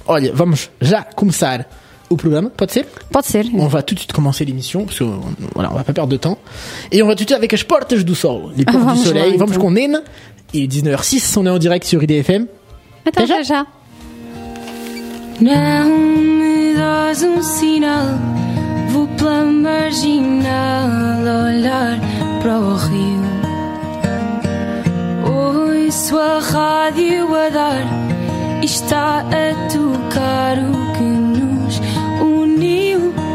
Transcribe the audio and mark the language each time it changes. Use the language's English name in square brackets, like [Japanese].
[Portuguese] Olha, vamos já começar o programa, pode ser? Pode ser. [French] On va tout de suite commencer l'émission parce qu'on voilà, on va pas perdre de temps et on va tout de suite avec [Portuguese] as portas do sol, [French] les portes du soleil. [Portuguese] Lá, então. Vamos com Nena. [French] Il est 19h06, on est en direct sur IDFM. Attends, déjà. [Portuguese] Não me dás sinal, vou pela marginal olhar para o rio. Ouço a rádio a dar e está a tocar o que nos uniu.